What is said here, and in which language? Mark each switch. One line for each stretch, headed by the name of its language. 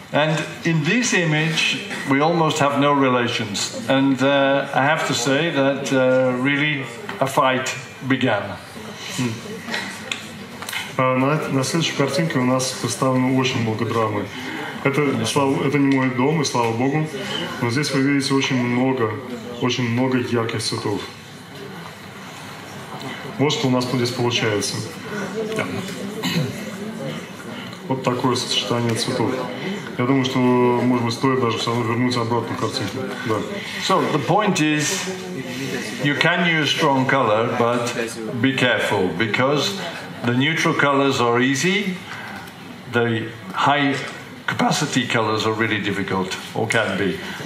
English: And in this image, we almost have no relations. And I have to say that really a fight began.
Russian: На следующей картинке у нас представлено очень много драмы. Это не мой дом, и слава богу, но здесь вы видите очень много ярких цветов. Вот что у нас здесь получается. Вот такое сочетание цветов. Я думаю, что, может быть, стоит даже все равно вернуться обратно к картинке. Да.
English: So, the point is, you can use strong color, but be careful, because the neutral colors are easy, the high capacity colors are really difficult, or can be.